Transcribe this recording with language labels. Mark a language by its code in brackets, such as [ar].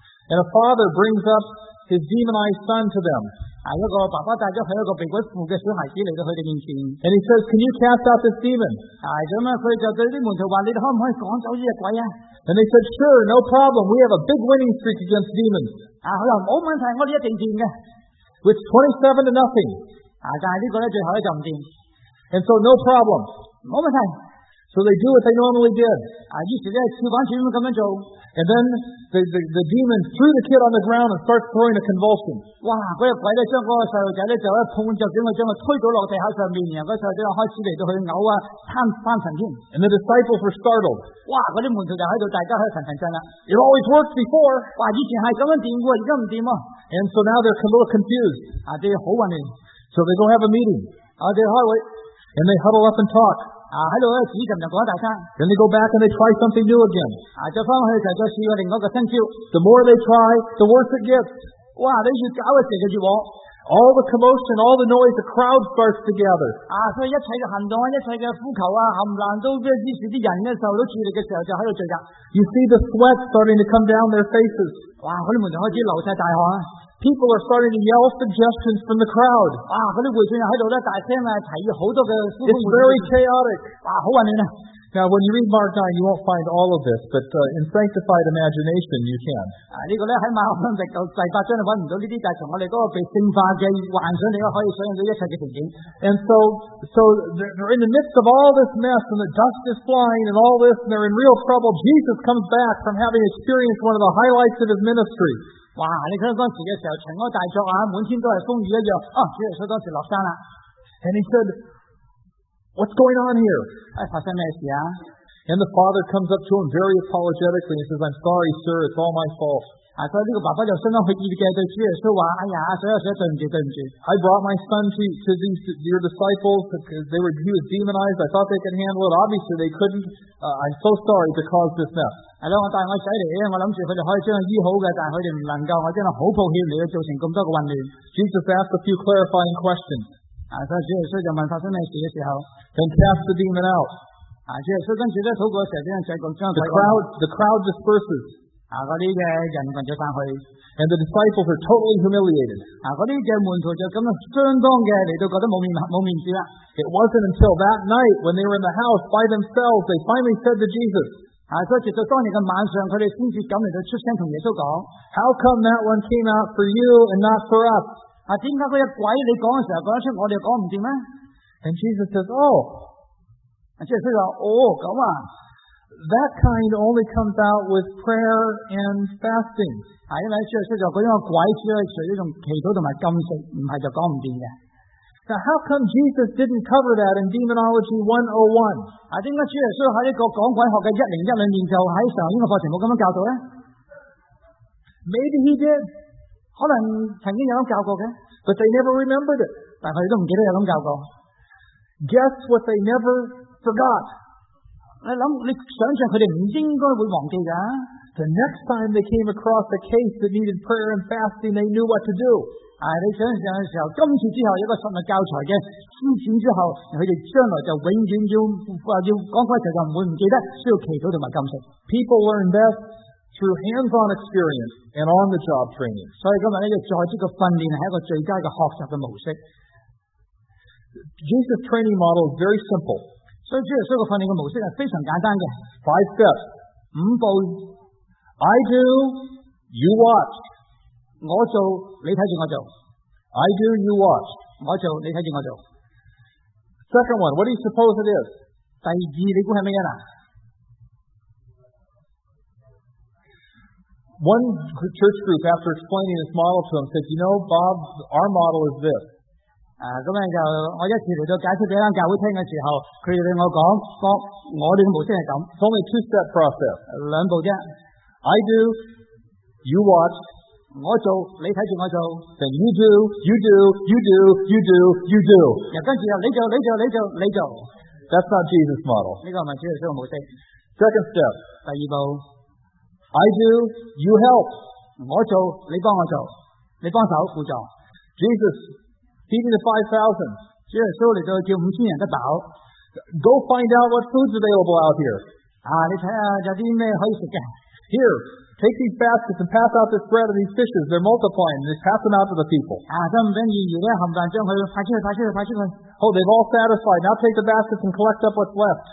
[en] And a father brings up his demonized son to them. [yue] 一个爸爸带咗佢一个被鬼附嘅小孩子嚟到佢哋面前。 [en] And he says, "Can you cast out this demon?" [yue] 咁佢就对啲门徒话：你哋可唔可以赶走呢只鬼啊？ [en] And they said, "Sure, no problem. We have a big winning streak against demons." [yue] 佢话冇问题，我哋一定掂嘅。 [en] With 27 to nothing. [yue] 但系呢个咧最后咧就唔掂。 [en] And so no problem. [yue] 冇问题。 [en] So they do what they normally did. [yue] 于是咧照翻全部咁样做。 [en] And then the demon threw the kid on the ground and starts throwing a convulsion. [yue] 哇！嗰只鬼咧将嗰个细路仔咧就一碰就点啊，将佢推到落地下上面，然后嗰细路仔又开始嚟到去呕啊，瘫翻神添。 [en] And the disciples were startled. [yue] 哇！嗰啲门徒就喺度，大家喺度神神震啦。 [en] It always worked before. [yue] 哇！以前系咁样掂过，而家唔掂啊。 [en] And so now they're a little confused. [yue] 啲好混乱。 [en] So they go have a meeting. [yue] 哋开会。 [en] And they huddle up and talk. [yue] 喺度咧，主神就讲大声。 [en] Then they go back and they try something new again. [yue] 就翻去就再试过另外一个新招。 [en] The more they try, the worse it gets. [yue] 哇！你越搞越成日越旺。 [en] All the commotion, all the noise, the crowd starts to gather. [yue] 所以一切嘅行动啊，一切嘅呼求啊，冚唪唥都即使啲人咧受到刺激嘅时候，就喺度聚集。 [en] You see the sweat starting to come down their faces. [yue] 哇！嗰啲门徒开始流晒大汗。 [en] People are starting to yell suggestions from the crowd. [yue] 哇！嗰啲会众喺度咧，大声啊，提议好多嘅。 [en] It's very chaotic. [yue] 哇！好混乱啊。 [en] Now, when you read Mark 9, you won't find all of this, but in sanctified imagination, you can. [yue] 呢个咧喺马可福音第八章揾唔到呢啲，但系从我哋嗰个被圣化嘅幻想里边，可以想象到一切嘅情景。 [en] And so they're in the midst of all this mess, and the dust is flying, and all this, and they're in real trouble. Jesus comes back from having experienced one of the highlights of his ministry. [yue] 哇！你睇当时嘅时候，尘埃大作啊，满天都系风雨一样。哦，主耶稣当时落山啦。 [en] And he said, "What's going on here?" [yue] 发生咩事啊 [en] ？And the father comes up to him very apologetically and says, "I'm sorry, sir. It's all my fault." [yue] 所以呢个爸爸就相当歉意嘅对主耶稣话：，哎呀，所有事都对唔住，对唔住。 [en] I brought my son to these dear disciples because they were he was demonized. I thought they could handle it. Obviously, they couldn't. I'm so sorry to cause this mess. [yue] 系咯，我带我仔嚟咧，我谂住佢哋可以将佢医好嘅，但系佢哋唔能够，我真系好抱歉，你哋造成咁多嘅混乱。 [en] Jesus asked a few clarifying questions。 [yue] 所以主耶稣就问发生咩事嘅时候 [en] ，then cast the demon out。 [yue] 主耶稣跟住咧祷告嘅时候，点样将 [en] 个crowd disperses。 [yue] 嗰啲嘅人群就散去。 [en] And the disciples are totally humiliated。 [yue] 嗰啲嘅门徒就咁啊，相当嘅嚟到觉得冇面子啦。 [en] It wasn't until that night when they were in the house by themselves, they finally said to Jesus。 [yue] 所以直到当年嘅晚上，佢哋先至敢嚟到出声同耶稣讲 [en] ：How come that one came out for you and not for us？ [yue] 点解嗰只鬼你讲嘅时候讲得出，我哋讲唔掂咧 [en] ？And Jesus says, "Oh." [yue] 即系佢话：哦，咁啊 [en] ，That kind only comes out with prayer and fasting。 [yue] 原来即系佢话嗰种鬼只系属于一种祈祷同埋禁食，唔系就讲唔掂嘅。 [en] Now, how come Jesus didn't cover that in Demonology 101? [yue] 点解主耶稣喺呢个讲鬼学嘅101里面就喺上呢个课程冇咁样教导咧 [en] ？Maybe he did. [yue] 可能曾经有咁教过嘅。 [en] But they never remembered it. [yue] 但佢哋都唔记得有咁教过。 [en] Guess what they never forgot? [yue] 你谂，你想象佢哋唔应该会忘记噶。 [en] The next time they came across a case that needed prayer and fasting, they knew what to do. [yue] 你想想嘅时候，今次之后一个神学教材嘅书卷之后，佢哋将来就永远要讲鬼就唔会唔记得，需要祈祷同埋禁食。 [en] People learn best through hands-on experience and on-the-job training。 [yue] 所以今日咧，在职嘅训练系一个最佳嘅学习嘅模式。 [en] Jesus' training model is very simple。 [yue] 所以主耶稣嘅训练嘅模式系非常简单嘅。 [en] Five steps， [yue] 五步。 [en] I do, you watch。 [yue] 我做，你睇住我做。 [en] I do, you watch。 [yue] 我做，你睇住我做。 [en] Second one, what do you suppose it is? [yue] 第二，你估系乜嘢啦 [en] ？One church group, after explaining this model to him, said, "You know, Bob, our model is this." [yue] 咁样就我一次嚟到解释俾间教会听嘅时候，佢哋对我讲，我哋嘅模式系咁。 [en] It's only a two-step process. [yue] 两步啫。 [en] I do, you watch. [yue] 我做，你睇住我做。 [en] Then you do, you do, you do, you do, you do. [yue] 又跟住啊，你做，你做，你做，你做。 [en] That's not Jesus' model. [yue] 呢个唔系主耶稣嘅模式。 [en] Second step. [yue] 第二步。 [en] I do, you help. [yue] 我做，你帮我做，你帮手辅助。 [en] Jesus feeding the 5,000. [yue] 主耶稣嚟到叫五千人得饱。 [en] Go find out what food's available out here. [yue] 你睇下有啲咩可以食嘅。 [en] Here, Take these baskets and pass out this bread and these fishes. They're multiplying. They pass them out to the people. Oh, they've all satisfied. Now take the baskets and collect up what's left.